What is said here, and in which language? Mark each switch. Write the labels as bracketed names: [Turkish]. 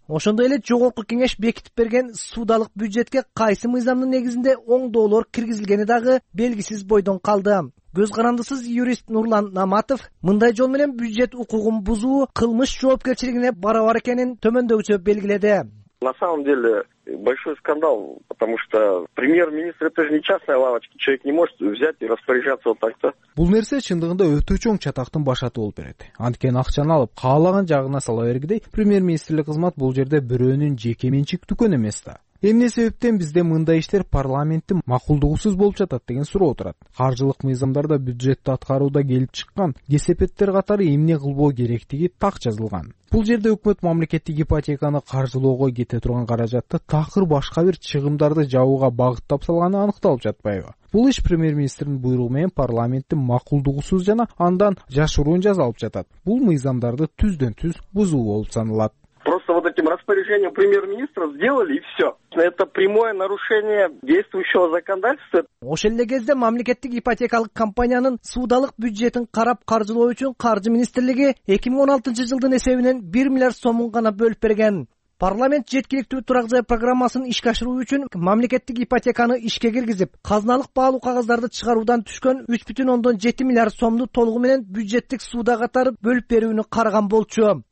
[Kyrgyz] Ошондой эле жогорку кеңеш бекитип берген судалык бюджетке кайсы мыйзамдын негизинде оңдоолор киргизилгени дагы белгисиз бойдон калды. Көз карандысыз юрист Нурлан Наматов мындай жол менен бюджет укугун бузуу кылмыш жоопкерчилигине барабар экенин төмөндөгүчө белгиледи. [Russian] На самом деле большой скандал, потому что премьер-министр это же не частная лавочка, человек не может взять и распоряжаться вот так-то. [Kyrgyz] Бул нерсе чындыгында өтө чоң чатактын башаты болуп берет. Анткени акчаны алып каалаган жагына сала бергидей, премьер-министрлик кызмат бул жерде бирөөнүн жеке менчик дүкөнү эмес да. Эмне себептен бизде мындай иштер парламенттин макулдугусуз болуп жатат деген суроо отурат. Каржылык мыйзамдар да бюджетти аткарууда келип чыккан кесепеттер катары эмне кылбоо керектиги так жазылган. Бул жерде өкмөт мамлекеттик ипотеканы каржылоого кете турган каражатты такыр башка бир чыгымдарды жабууга багыттап салганы аныкталып жатпайбы? Бул иш премьер-министрдин буйругу менен парламенттин макулдугусуз жана андан жашыруун жазалып жатат. Бул мыйзамдарды түздөн түз бузуу болуп саналат. [Russian] Просто вот этим распоряжением премьер-министра сделали и все. Это прямое нарушение действующего законодательства. [Kyrgyz] Ошол эле кезде мамлекеттик ипотекалык компаниянын суудалык бюджетин карап каржылоо үчүн каржы министрлиги 2016 жылдын эсебинен 1 миллиард сомун гана бөлүп берген. Парламент жеткиликтүү турак жай программасын ишке ашыруу үчүн мамлекеттик ипотеканы ишке киргизип, казыналык баалуу кагаздарды чыгаруудан түшкөн 3.7 миллиард сомду толугу менен бюджеттик сууда катары бөлүп берүүнү караган болчу.